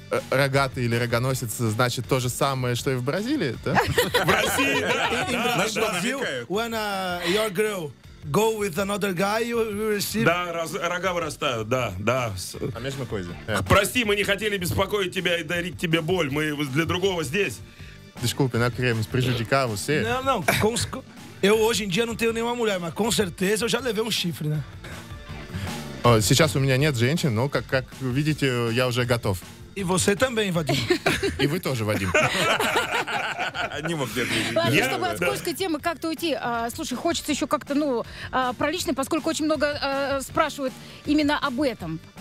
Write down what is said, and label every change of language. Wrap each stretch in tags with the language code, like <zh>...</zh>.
<ru>Рогатый или рогоносец, значит, то же самое, что и в Бразилии, да? В России, да! Значит, в Бразилии,</ru> <en>when your girl go with another guy, you receive...</en> <ru>Да, рога вырастают, да, да. А между кози? Прости, мы не хотели беспокоить тебя и дарить тебе боль, мы для другого здесь.</ru> <pt>Desculpe, não queremos prejudicar você. Não, não, eu hoje em dia não tenho nenhuma mulher, mas com certeza eu já levei chifre, né?</pt> <ru>Сейчас у меня нет женщин, но, как видите, я уже готов. И вы тоже, Вадим. И вы тоже, Вадим. Они могут где-то... Ладно, чтобы от скользкой темы как-то уйти. Слушай, хочется еще как-то, ну, про личное, поскольку очень много спрашивают именно об этом.</ru>